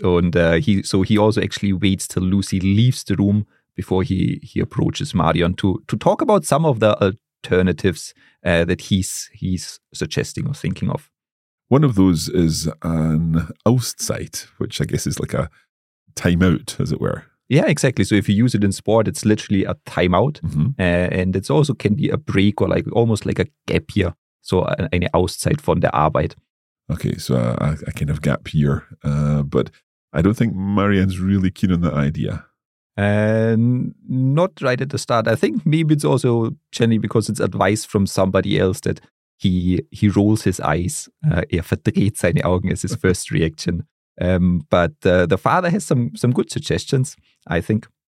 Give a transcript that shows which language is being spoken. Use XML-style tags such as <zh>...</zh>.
<en>And he also actually waits till Lucy leaves the room before he approaches Marion to talk about some of the alternatives that he's suggesting or thinking of. One of those is an Auszeit, which I guess is like a timeout, as it were. Yeah, exactly. So if you use it in sport, it's literally a timeout. Mm-hmm. And it also can be a break or like almost like a gap year.</en> <de>So eine Auszeit von der Arbeit.</de> <en>Okay, so a kind of gap year. But I don't think Marianne's really keen on the idea. Not right at the start. I think maybe it's also Jenny because it's advice from somebody else that he rolls his eyes.</en> <de>Er verdreht seine Augen</de> <en>as his first reaction. But the father has some good suggestions, I think.</en>